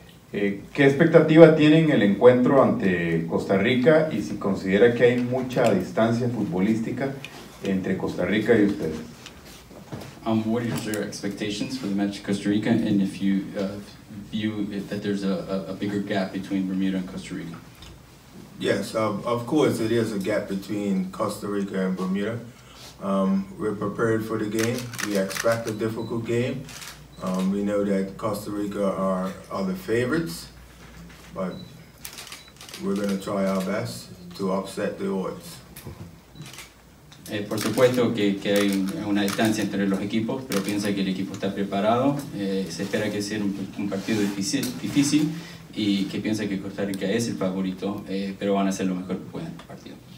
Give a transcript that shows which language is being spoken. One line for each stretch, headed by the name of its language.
Spanish: ¿Qué expectativa tienen el encuentro ante Costa Rica y si considera que hay mucha distancia futbolística entre Costa Rica y ustedes?
English: What are your expectations for the match with Costa Rica and if you view that there's a bigger gap between Bermuda and Costa Rica? Yes, of course it is a gap between Costa Rica and Bermuda. We're prepared for the game. We expect a difficult game. We know that Costa Rica are the favorites, but we're going to try our best to upset the odds.
Spanish: Por supuesto que hay una distancia entre los equipos, pero piensa que el equipo está preparado. Se espera que sea un partido difícil y que piensa que Costa Rica es el favorito, pero van a hacer lo mejor que puedan en el partido.